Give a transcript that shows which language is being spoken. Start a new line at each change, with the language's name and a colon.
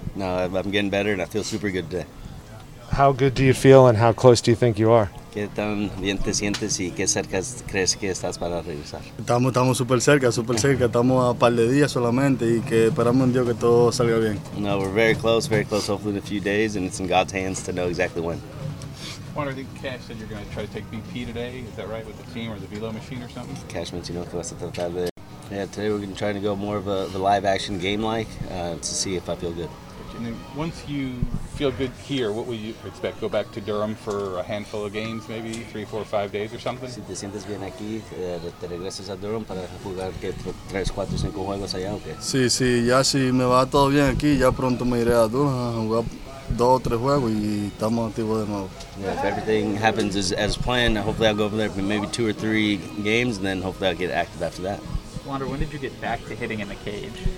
English: No, I'm getting better and I feel super good today. How good do you feel and how close do you think you are?
Spanish: ¿Qué tan bien te sientes y qué cerca crees que estás para regresar? Estamos súper cerca. Estamos a par de días solamente y que esperamos en Dios que todo salga bien.
English: No, we're very close, hopefully in a few days, and it's in God's hands to know exactly when. Juan, I think Cash said you're Cash mentioned that. Yeah, today we're going to try to go more of a live-action game-like to see if I feel good. And then once you feel good here, what will you expect? Go back to Durham for a handful of games, maybe 3, 4, 5 days or something?
Spanish: Si te sientes bien aquí, te regresas a Durham para jugar 3, 4, 5 juegos allá, ¿ok? Sí, sí. Ya si me va todo bien aquí, ya pronto me iré a Durham a jugar 2 or 3 juegos y estamos activos de nuevo.
English: Yeah, if everything happens as planned, hopefully I'll go over there for maybe 2 or 3 games, and then hopefully I'll get active after that. Wander, when did you get back to hitting in the cage?